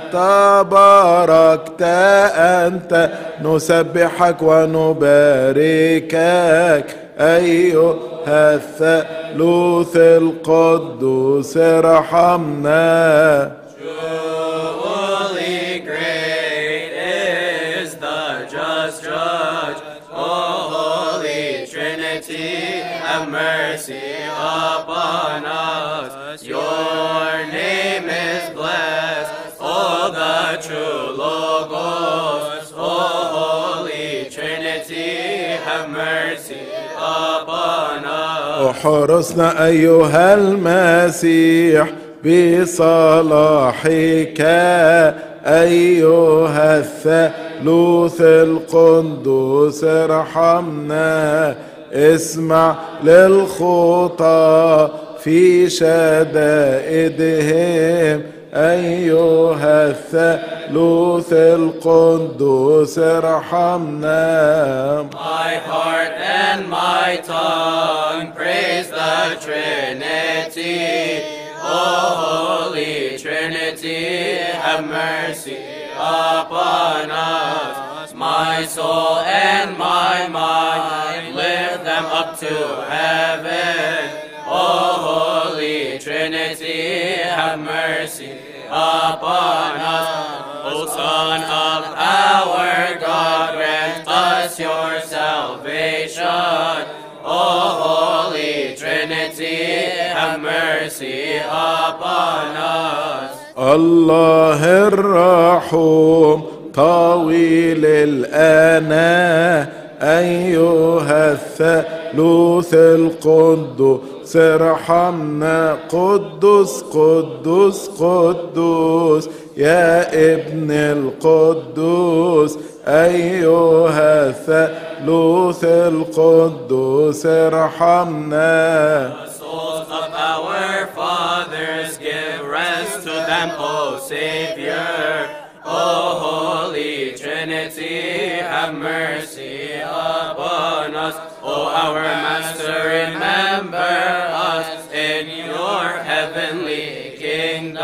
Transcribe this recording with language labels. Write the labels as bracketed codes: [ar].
[ar] تباركت أنت نسبحك ونباركك أيها الثالوث القدوس ارحمنا. [en] Truly great is the just judge, O Holy Trinity, have mercy upon us. Your name is blessed, O the true Logos, O Holy Trinity, have mercy upon us. [ar] احرسنا ايها المسيح بصلاحك ايها الثالوث القدوس ارحمنا. اسمع للخطى في شدائدهم ايها الثالوث القدوس ارحمنا. [en] My heart and my tongue praise the Trinity, O Holy Trinity, have mercy upon us. My soul and my mind lift them up to heaven, O Holy Trinity, have mercy upon us. O Son of our God, grant us your salvation, O Holy Trinity, have mercy. mercy upon us. [ar] Allah ar-Rahum, طويل الآن أيها الثالوث القدوس ارحمنا قدوس قدوس قدوس يا ابن القدوس أيها الثالوث القدوس ارحمنا. [en] Souls of our fathers, give rest to them, O Savior. O Holy Trinity, have mercy upon us. O our Master, remember us in your heavenly kingdom.